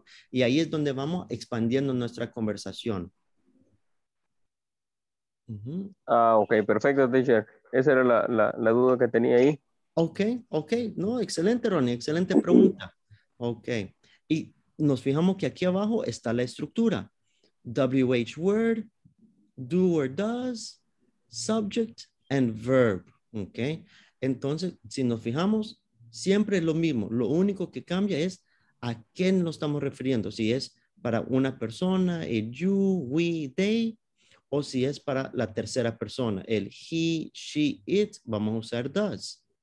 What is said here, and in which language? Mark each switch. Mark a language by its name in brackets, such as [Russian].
[Spanish] Y ahí es donde vamos expandiendo nuestra conversación. Uh-huh. Ok, perfecto, teacher. Esa era la duda que tenía ahí. Ok, no, excelente, Ronnie, excelente pregunta. Ok, y nos fijamos que aquí abajo está la estructura. [English] WH word, do or does, subject and verb. [Spanish] Ok, entonces, si nos fijamos, siempre es lo mismo. Lo único que cambia es a quién lo estamos refiriendo. Si es para una persona, el you, we, they, o si es para la tercera persona, el he, she, it, vamos a usar does.